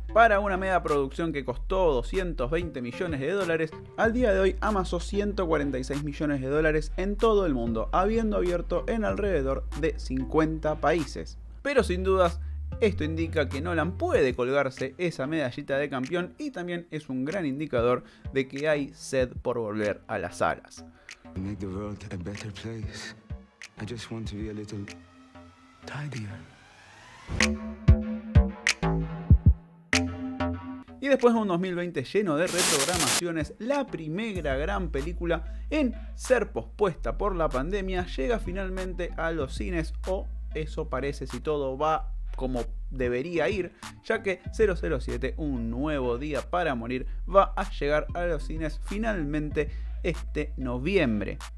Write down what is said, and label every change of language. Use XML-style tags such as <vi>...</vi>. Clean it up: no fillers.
<es>Para una mega producción que costó 220 millones de dólares, al día de hoy amasó 146 millones de dólares en todo el mundo, habiendo abierto en alrededor de 50 países. Pero sin dudas, esto indica que Nolan puede colgarse esa medallita de campeón y también es un gran indicador de que hay sed por volver a las salas.</es> <en>Make the world a better place. I just want to be a little tidier.</en> <es>Y después de un 2020 lleno de reprogramaciones, la primera gran película en ser pospuesta por la pandemia llega finalmente a los cines, o eso parece si todo va como debería ir, ya que 007, un nuevo día para morir, va a llegar a los cines finalmente este noviembre.</es>